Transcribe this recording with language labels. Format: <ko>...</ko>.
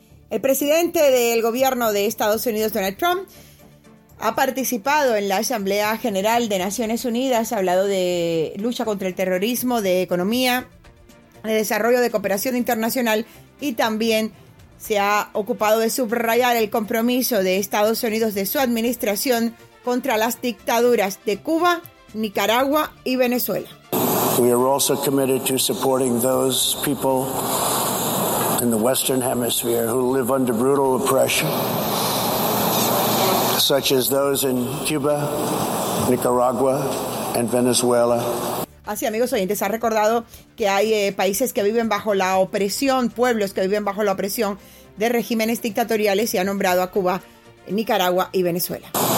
<es>El presidente del gobierno de Estados Unidos, Donald Trump, ha participado en la Asamblea General de Naciones Unidas, ha hablado de lucha contra el terrorismo, de economía, de desarrollo, de cooperación internacional y también se ha ocupado de subrayar el compromiso de Estados Unidos de su administración contra las dictaduras de Cuba, Nicaragua y Venezuela.</es> <en>We are also committed to supporting those people in the Western Hemisphere who live under brutal oppression, such as those in Cuba, Nicaragua and Venezuela.</en> <es>Así, amigos oyentes, ha recordado que hay países que viven bajo la opresión, pueblos que viven bajo la opresión de regímenes dictatoriales y ha nombrado a Cuba, Nicaragua y Venezuela.</es>